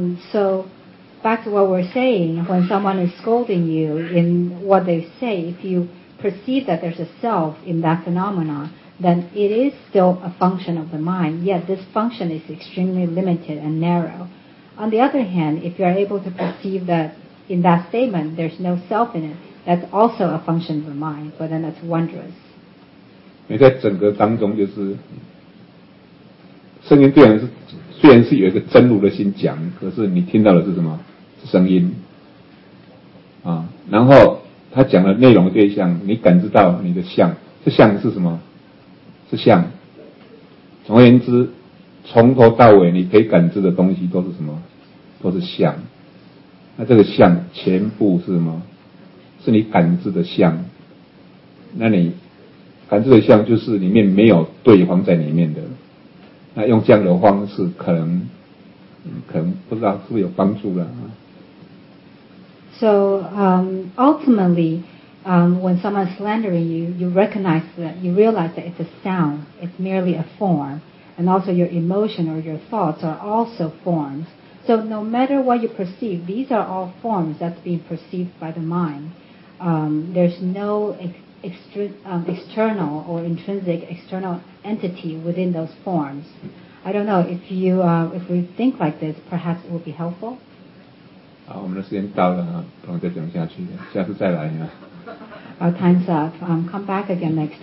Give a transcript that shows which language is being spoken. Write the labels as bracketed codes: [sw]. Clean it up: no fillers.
[en] So back to what we're saying, when someone is scolding you in what they say, if you perceive that there's a self in that phenomena, then it is still a function of the mind. Yet this function is extremely limited and narrow. On the other hand, if you are able to perceive that. In that statement, there's no self in it. That's also a function of the mind, but then that's wondrous. [zh] 你在整个当中就是声音虽然是有一个真如的心讲，可是你听到的是什么？是声音啊。然后他讲的内容对象，你感知到你的相，这相是什么？是相。总而言之，从头到尾你可以感知的东西都是什么？都是相。那这个相全部是什么？是你感知的相。那你感知的相就是里面没有对方在里面的。那用这样的方式，可能不知道是不是有帮助了啊。 [en] So ultimately, when someone slandering you, you recognize that you realize that it's a sound. It's merely a form, and also your emotion or your thoughts are also forms. So no matter what you perceive, these are all forms that's being perceived by the mind. There's no external or intrinsic external entity within those forms. I don't know, if we think like this, perhaps it would be helpful. [zh] 好，我们的时间到了，不能再讲下去，下次再来。 [en] Our time's up. Come back again next time.